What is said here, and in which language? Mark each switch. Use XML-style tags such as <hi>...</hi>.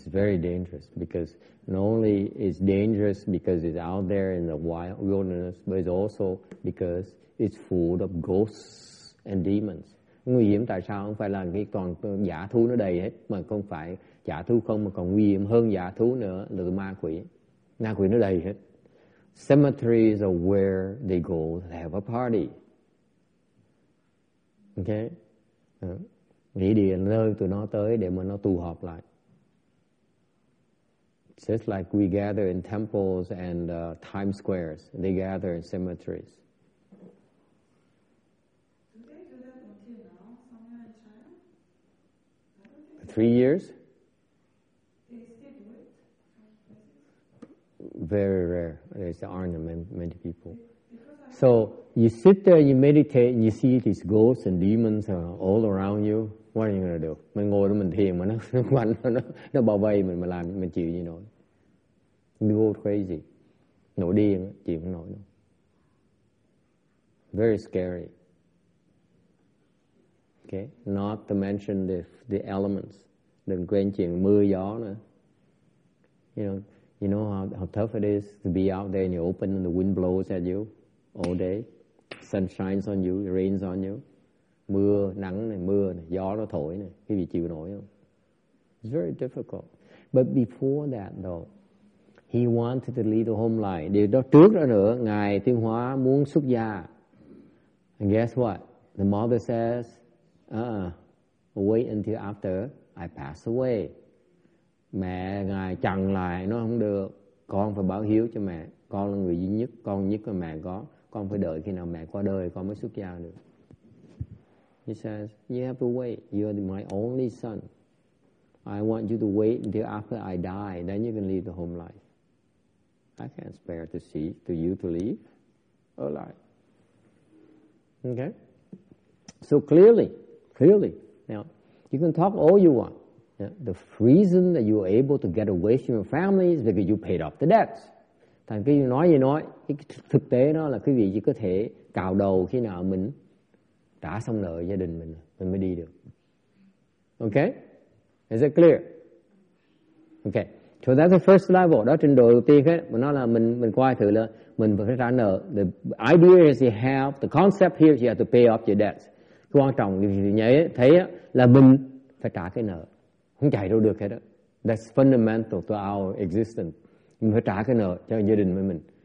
<en>It's very dangerous because not only is dangerous because it's out there in the wild wilderness, but it's also because it's full of ghosts and demons.</en> <vi>Nguy hiểm tại sao? Không phải là cái toàn dã thú nó đầy hết, mà không phải dã thú không, mà còn nguy hiểm hơn dã thú nữa là ma quỷ. Ma quỷ nó đầy hết.</vi> <en>Cemeteries are where they go to have a party. Ok?</en> <vi>Nghĩa địa là nơi tụi nó tới để mà nó tụ họp lại.</vi> <en>It's just like we gather in temples and Times Squares. They gather in cemeteries. Three years? Very rare. There aren't many people. So you sit there and you meditate and you see these ghosts and demons all around you. What are you going to do?</en> <vi>Mình ngồi đó mình thiền mà nó bao vây mình mà làm mình chịu như nổi.</vi> <en>You go crazy.</en> <vi>Nổi điên, chịu không nổi đâu.</vi> <en>very scary. Okay, not to mention the elements, the</en> <vi>quên chuyện mưa gió nữa.</vi> <en>You know how tough it is to be out there in the open and the wind blows at you all day. Sun shines on you, it rains on you.</en> <vi>Mưa, nắng này, mưa này, gió nó thổi này, cái gì chịu nổi không?</vi> <en>It's very difficult. But before that though, he wanted to lead the home life.</en> <vi>Điều đó trước đó nữa, Ngài Thiên Hóa muốn xuất gia.</vi> <en>And guess what? The mother says, wait until after I pass away.</en> <vi>Mẹ Ngài chặn lại, nó không được. Con phải báo hiếu cho mẹ. Con là người duy nhất, con nhất của mẹ có. Con phải đợi khi nào mẹ qua đời, con mới xuất gia được.</vi> <en>He says, you have to wait. You are my only son. I want you to wait until after I die. Then you can leave the home life. I can't spare to see to you to leave alive. Okay? So clearly, now you can talk all you want. Yeah? The reason that you were able to get away from your family is because you paid off the debts.</en> <vi>Thành cái nói, thực tế đó là quý vị chỉ có thể cào đầu khi nào mình trả xong nợ gia đình mình mới đi được.</vi> <en>Okay? Is it clear? Okay. So that's the first level.</en> <vi>Đó trình độ đầu tiên hết. Mình nói là mình coi thử là mình phải trả nợ.</vi> <en>The idea is you have, the concept here is you have to pay off your debts.</en> <vi>Cái quan trọng thấy là mình phải trả cái nợ. Không chạy đâu được hết đó.</vi> <en>That's fundamental to our existence.</en> <vi>Mình phải trả cái nợ cho gia đình với mình.</vi>